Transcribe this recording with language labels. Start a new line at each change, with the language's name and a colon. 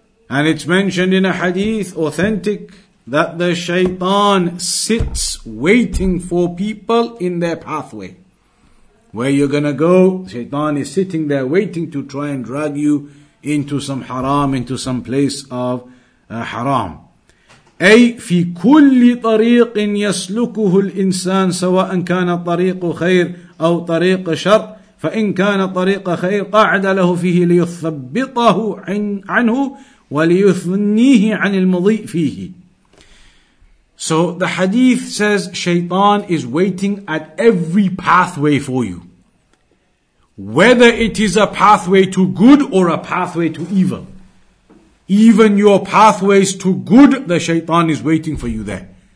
English: And it's mentioned in a hadith, authentic, that the shaitan sits waiting for people in their pathway. Where you're gonna go, shaitan is sitting there waiting to try and drag you into some haram, into some place of haram.
Arabic: أي في كل طريق يسلكه الإنسان سواء كان طريق خير أو طريق شر فإن كان طريق خير قعد له فيه ليثبطه عنه وليثنيه عن المضيء فيه.
English: So the hadith says shaitan is waiting at every pathway for you. Whether it is a pathway to good or a pathway to evil. Even your pathways to good, the shaitan is waiting for you there.